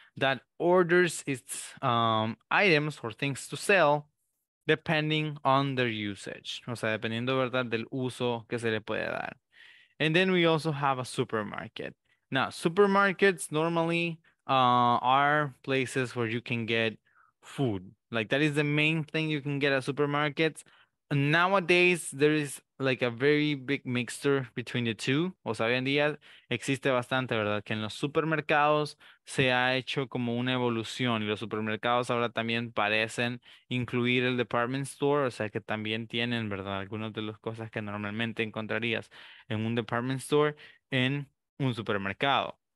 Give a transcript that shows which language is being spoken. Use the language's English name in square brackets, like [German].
[English] that orders its items or things to sell depending on their usage. [Spanish] O sea, dependiendo, ¿verdad?, del uso que se le puede dar. [English] And then we also have a supermarket. Now, supermarkets normally are places where you can get food. Like, that is the main thing you can get at supermarkets. Nowadays, there is like a very big mixture between the two. [Spanish] O sea, hoy en día existe bastante, ¿verdad? Que en los supermercados se ha hecho como una evolución. Y los supermercados ahora también parecen incluir el department store. O sea, que también tienen, ¿verdad?, algunas de las cosas que normalmente encontrarías en un department store en un supermercado.